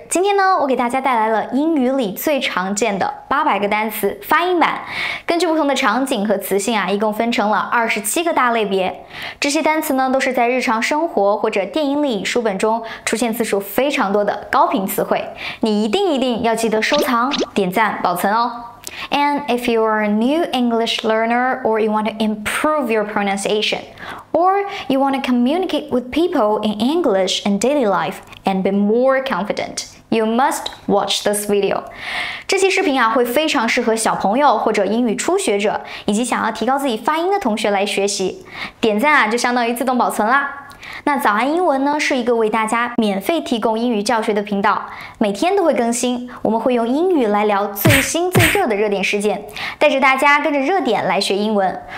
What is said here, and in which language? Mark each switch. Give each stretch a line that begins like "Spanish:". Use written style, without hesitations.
Chinese: 今天呢，我给大家带来了英语里最常见的800个单词发音版。根据不同的场景和词性啊，一共分成了27个大类别。这些单词呢，都是在日常生活或者电影里、书本中出现次数非常多的高频词汇。你一定要记得收藏、点赞、保存哦。
English: And if you are a new English learner or you want to improve your pronunciation, or you want to communicate with people in English in daily life and be more confident, you must watch this video.
Chinese: 这期视频啊会非常适合小朋友或者英语初学者以及想要提高自己发音的同学来学习。点赞啊就相当于自动保存啦。那早安英文呢是一个为大家免费提供英语教学的频道，每天都会更新，我们会用英语来聊最新最热的热点事件，带着大家跟着热点来学英文。